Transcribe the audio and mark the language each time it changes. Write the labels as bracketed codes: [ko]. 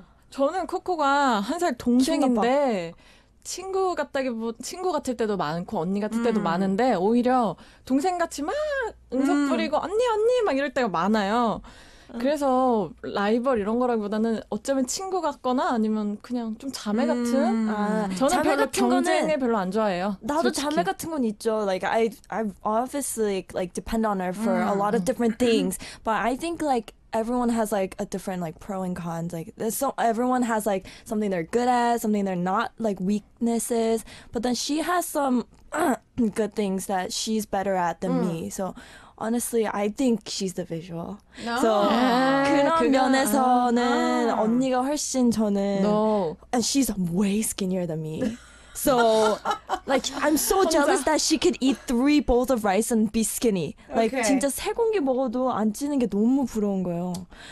[ko] 저는 코코가 한 살 동생인데 친구 친구 같을 때도 많고 언니 같을 때도 많은데 오히려 동생 같이 막 응석 부리고 언니 막 이럴 때가 많아요. 그래서 라이벌 이런 거라기보다는 어쩌면 친구 같거나 아니면 그냥 좀 자매 같은. 저는 자매 별로 같은 경쟁을 거는, 별로 안 좋아해요. 나도 솔직히. 자매 같은 건 있죠. [en] Like I obviously like depend on her for a lot of different things, but I think like everyone has like a different like pro and cons. Like so everyone has like something they're good at, something they're not, like weaknesses. But then she has some good things that she's better at than me. So honestly, I think she's the visual. No. So, yeah, [ko] 그런 면에서는 언니가 훨씬 저는. [en] No. And she's way skinnier than me. So, like, I'm so jealous that she could eat 3 bowls of rice and be skinny. Like, okay. [ko] 진짜 세 공기 먹어도 안 찌는 게 너무 부러운 거예요.